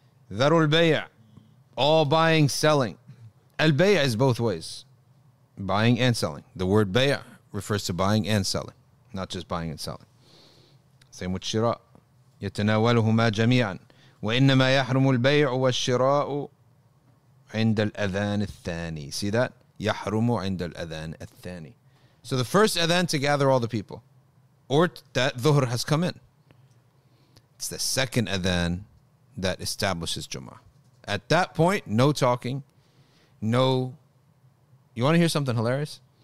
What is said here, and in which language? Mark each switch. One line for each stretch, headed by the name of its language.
English: Dharul bay'ah, all buying, selling. Al bay'ah is both ways, buying and selling. The word bay'ah refers to buying and selling, not just buying and selling. Same with shira.
Arabic: Yatanawaluhuma jami'an. وإنما يحرم البيع والشراء عند الأذان الثاني.
English: See that?
Arabic: يحرم عند الأذان الثاني.
English: So the first adhan to gather all the people, or that dhuhr has come in. It's the second adhan that establishes Jummah. At that point, no talking, no. You want to hear something hilarious?